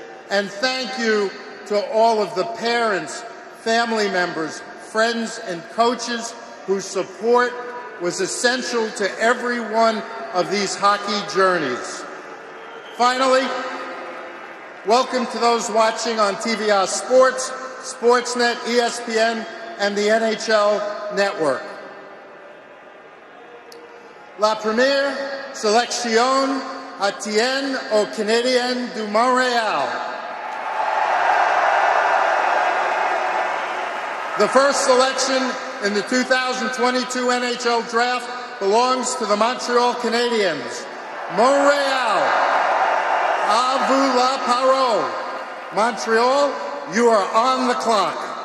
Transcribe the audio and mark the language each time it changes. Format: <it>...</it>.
<en>And thank you to all of the parents, family members, friends, and coaches whose support was essential to every one of these hockey journeys. Finally, welcome to those watching on TVR Sports, Sportsnet, ESPN, and the NHL Network.</en> <fr>La première sélection à Tienne au Canadien du Montréal.</fr> <en>The first selection in the 2022 NHL Draft belongs to the Montreal Canadiens.</en> <fr>Montréal. A vous la parole.</fr> <en>Montreal, you are on the clock.</en>